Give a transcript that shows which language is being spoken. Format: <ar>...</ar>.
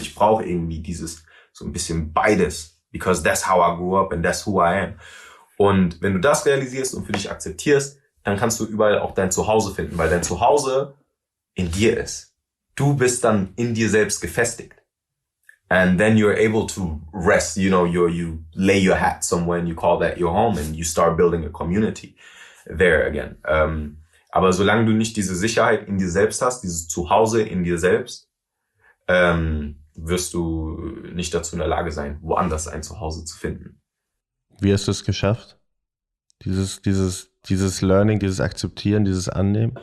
<de>Ich brauche irgendwie dieses so ein bisschen beides, because that's how I grew up and that's who I am. Und wenn du das realisierst und für dich akzeptierst, dann kannst du überall auch dein Zuhause finden, weil dein Zuhause in dir ist. Du bist dann in dir selbst gefestigt.</de> <en>And then you're able to rest, you lay your hat somewhere and you call that your home and you start building a community there again.</en> <de>Aber solange du nicht diese Sicherheit in dir selbst hast, dieses Zuhause in dir selbst, wirst du nicht dazu in der Lage sein, woanders ein Zuhause zu finden. Wie hast du es geschafft? Dieses Learning, dieses Akzeptieren, dieses Annehmen?</de>